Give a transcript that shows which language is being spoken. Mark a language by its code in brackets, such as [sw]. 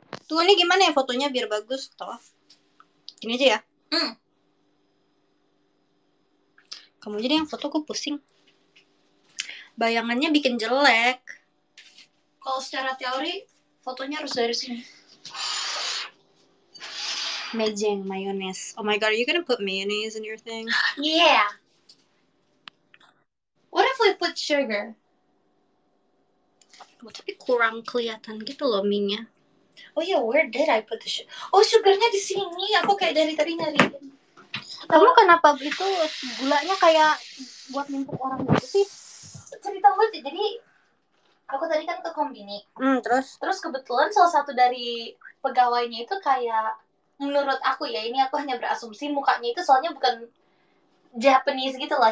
[id] Tuh ini gimana ya fotonya biar bagus toh. Gini aja ya. Hmm. Kamu jadi yang foto, kok pusing. Bayangannya bikin jelek. Kalau secara teori, fotonya harus dari sini. Mejeng, mayonnaise. [en] Oh my god, are you gonna put mayonnaise in your thing? Yeah. What if we put sugar? [id] Oh, tapi kurang kelihatan gitu loh mie-nya. [en] Oh yeah, where did I put the sugar? [id] Oh, sugarnya di sini. Aku kayak dari tadi nyari. Kamu kenapa itu gulanya kayak buat nimpuk orang gitu sih? Cerita gue, jadi aku tadi kan ke Kombini. Terus kebetulan salah satu dari pegawainya itu kayak, menurut aku ya, ini aku hanya berasumsi, mukanya itu soalnya bukan Japanese gitu lah.